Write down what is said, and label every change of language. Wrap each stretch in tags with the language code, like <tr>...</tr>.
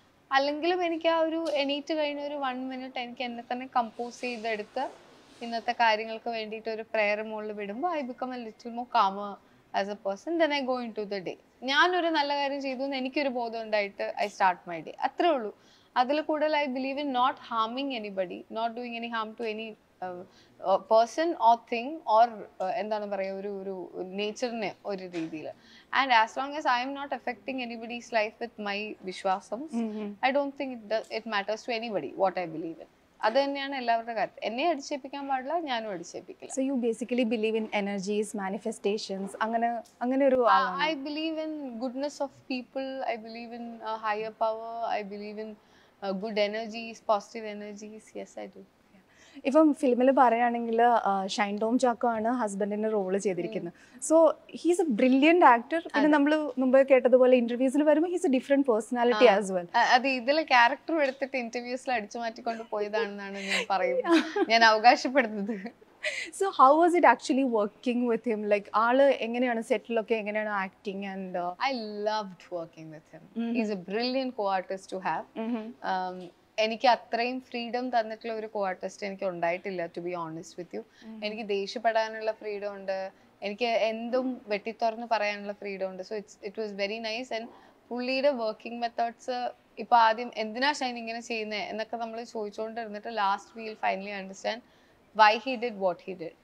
<ml>അല്ലെങ്കിലും എനിക്ക് ആ ഒരു എണീറ്റ് കഴിഞ്ഞ ഒരു 1 മിനിറ്റ് എനിക്ക് എന്നെ തന്നെ കമ്പോസ് ചെയ്തെടുത്ത് ഇന്നത്തെ കാര്യങ്ങൾക്ക് വേണ്ടിയിട്ട് ഒരു പ്രേയർ മുകളിൽ വിടുമ്പോൾ</ml> <en>I become a little more calm as a person. Then I go in to the day.</en> <ml>ഞാനൊരു നല്ല കാര്യം ചെയ്തു എന്ന് എനിക്കൊരു ബോധം ഉണ്ടായിട്ട്</ml> <en>I start my day.</en> <ml>അത്രേ ഉള്ളൂ. അതിൽ കൂടുതൽ</ml> <en>I believe in not ഹാമിങ് anybody, not doing any Ham to any person or thing</en> <ml>or എന്താണ് പറയുക ഒരു ഒരു നേച്ചറിന് ഒരു രീതിയിൽ.</ml> <en>And as long as I am not affecting anybody's life with my vishwasams, I don't think it matters to anybody what I believe in.</en> <ml>അത് തന്നെയാണ് എല്ലാവരുടെ കാര്യം. എന്നെ അടിച്ചേൽപ്പിക്കാൻ പാടില്ല, ഞാനും അടിച്ചേൽപ്പിക്കില്ല.</ml> <en>So you basically believe in energies, manifestations,</en> <ml>അങ്ങനെ ഒരു.</ml> <en>I believe in goodness of people. I believe in a higher power. I believe in good energies, positive energies. Yes, I do.</en> <ml>ഇപ്പം ഫിലിമിൽ പറയുകയാണെങ്കിൽ ഷൈൻ ടോം ചാക്കോ ആണ് ഹസ്ബൻഡിന്റെ റോള് ചെയ്തിരിക്കുന്നത്.</ml> <en>So he's a brilliant actor.</en> <ml>പിന്നെ നമ്മൾ മുമ്പ് കേട്ടതുപോലെ ഇന്റർവ്യൂസിൽ വരുമ്പോൾ</ml> <en>He's a different personality as well.</en> <ml>അത് ഇതിലെ ക്യാരക്ടർ എടുത്തിട്ട് ഇന്റർവ്യൂസിൽ അടിച്ചു മാറ്റിക്കൊണ്ട് പോയതാണെന്നാണ് ഞാൻ പറയുന്നത്, ഞാൻ അവകാശപ്പെടുന്നത്.</ml> <en>So how was it actually working with him? Like</en> <ml>aalu engenaana settle okke engenaana acting</ml> <en>and I loved working with him. He's a brilliant co-artist to have.</en> <ml>എനിക്ക് അത്രയും ഫ്രീഡം തന്നിട്ടുള്ള ഒരു കോആർട്ടിസ്റ്റ് എനിക്ക് ഉണ്ടായിട്ടില്ല,</ml> <en>To be honest with you.</en> <ml>എനിക്ക് ദേഷ്യപ്പെടാനുള്ള freedom ഉണ്ട്, എനിക്ക് എന്തും വെട്ടിത്തുറന്ന് പറയാനുള്ള ഫ്രീഡം ഉണ്ട്.</ml> <en>So it was very nice. And</en> <ml>പുള്ളിയുടെ വർക്കിംഗ് മെത്തേഡ്സ്, ഇപ്പൊ ആദ്യം എന്തിനാ ഷൈൻ ഇങ്ങനെ ചെയ്യുന്നത് എന്നൊക്കെ നമ്മൾ ചോദിച്ചുകൊണ്ടിരുന്നിട്ട്</ml> <en>Last we'll finally understand why he did what he did.</en>